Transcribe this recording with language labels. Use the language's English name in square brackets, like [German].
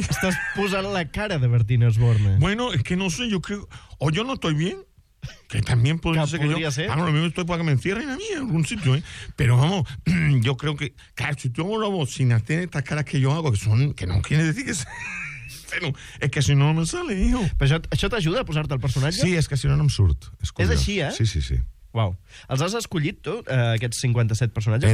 [Catalan] Estàs posant la cara de Bertín Osborne. [Spanish] Bueno, es que no sé, yo creo... O yo no estoy bien, que también puede ser que yo... Que podría ser. Ah, no, lo mismo estoy para que me encierren a mí en algún sitio, ¿eh? Pero vamos, yo creo que... Claro, si yo hago la voz sin hacer estas caras que yo hago, que son... Que no quiere decir que... Bueno, es que si no, no me sale, hijo. [Catalan] Però això t'ajuda a posar-te el personatge? Sí, és que si no, no em surt. És així, eh? Sí, sí, sí. Uau. Els has escollit, tu, aquests 57 personatges?